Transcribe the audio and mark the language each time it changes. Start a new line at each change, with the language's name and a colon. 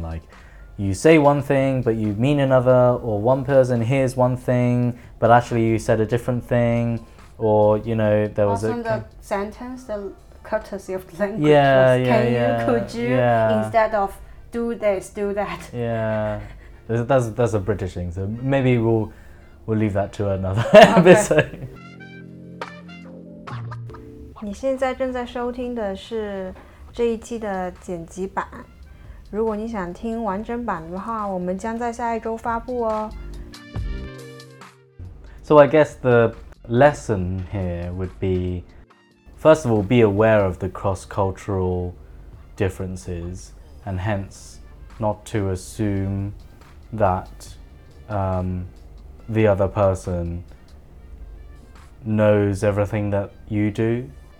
English: Like you say one thing but you mean another, or one person hears one thing but actually you said a different thing, or you know there was awesome, courtesy of language. Instead of do this, do that. Yeah, that's a British thing. So maybe we'll leave that to another episode.
Chinese: 你现在正在收听的是这一期的剪辑版。如果你想听完整版的话，我们将在下一周发布哦。
English: So I guess the lesson here would be. First of all, be aware of the cross-cultural differences and hence not to assume that the other person knows everything that you do.